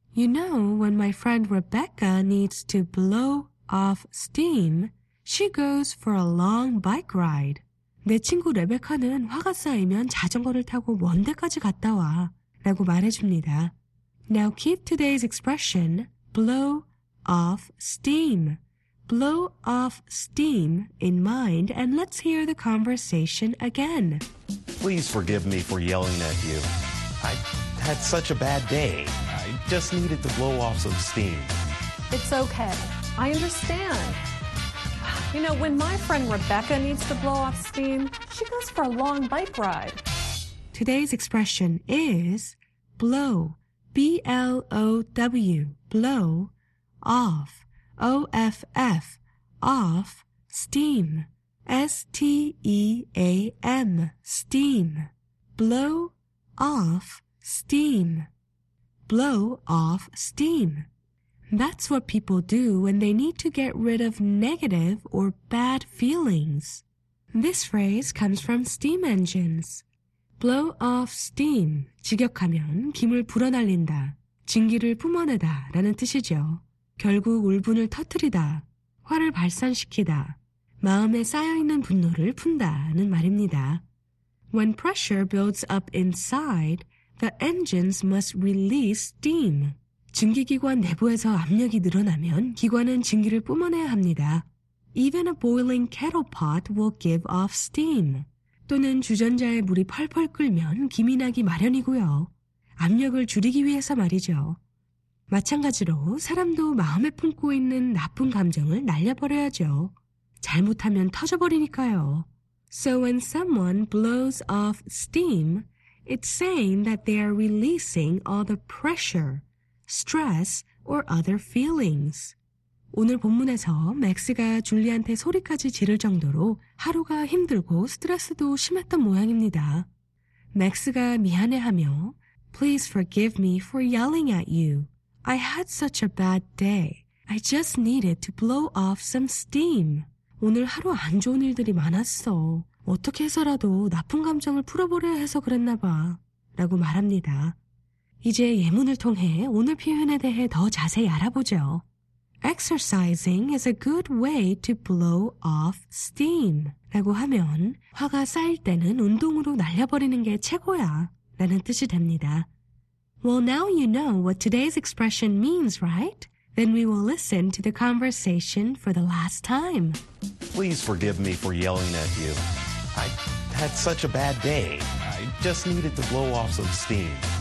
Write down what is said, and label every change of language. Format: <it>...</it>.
<en>You know, when my friend Rebecca needs to blow off steam... She goes for a long bike ride.</en> <ko>내 친구 레베카는 화가 쌓이면 자전거를 타고 먼 데까지 갔다 와 라고 말해줍니다.</ko> <en>Now keep today's expression, blow off steam. Blow off steam in mind and let's hear the conversation again. Please forgive me for yelling at you. I had such a bad day. I just needed to blow off some steam. It's okay. I understand. You know, when my friend Rebecca needs to blow off steam, she goes for a long bike ride. Today's expression is blow, B-L-O-W, blow, off, O-F-F, off, steam, S-T-E-A-M, steam. Blow off steam. Blow off steam. That's what people do when they need to get rid of negative or bad feelings. This phrase comes from steam engines. Blow off steam.</en> <ko>직역하면 김을 불어날린다, 증기를 뿜어내다 라는 뜻이죠. 결국 울분을 터뜨리다, 화를 발산시키다, 마음에 쌓여있는 분노를 푼다는 말입니다.</ko> <en>When pressure builds up inside, the engines must release steam.</en> <ko>증기기관 내부에서 압력이 늘어나면 기관은 증기를 뿜어내야 합니다.</ko> <en>Even a boiling kettle pot will give off steam.</en> <ko>또는 주전자에 물이 펄펄 끓면 김이 나기 마련이고요. 압력을 줄이기 위해서 말이죠. 마찬가지로 사람도 마음에 품고 있는 나쁜 감정을 날려버려야죠. 잘못하면 터져버리니까요.</ko> <en>So when someone blows off steam, it's saying that they are releasing all the pressure, stress, or other feelings.</en> <ko>오늘 본문에서 맥스가 줄리한테 소리까지 지를 정도로 하루가 힘들고 스트레스도 심했던 모양입니다. 맥스가 미안해하며</ko> <en>Please forgive me for yelling at you. I had such a bad day. I just needed to blow off some steam.</en> <ko>오늘 하루 안 좋은 일들이 많았어. 어떻게 해서라도 나쁜 감정을 풀어버려야 해서 그랬나 봐. 라고 말합니다. 이제 예문을 통해 오늘 표현에 대해 더 자세히 알아보죠.</ko> <en>Exercising is a good way to blow off steam.</en> <ko>라고 하면 화가 쌓일 때는 운동으로 날려버리는 게 최고야. 라는 뜻이 됩니다.</ko> <en>Well, now you know what today's expression means, right? Then we will listen to the conversation for the last time. Please forgive me for yelling at you. I had such a bad day. I just needed to blow off some steam.</en>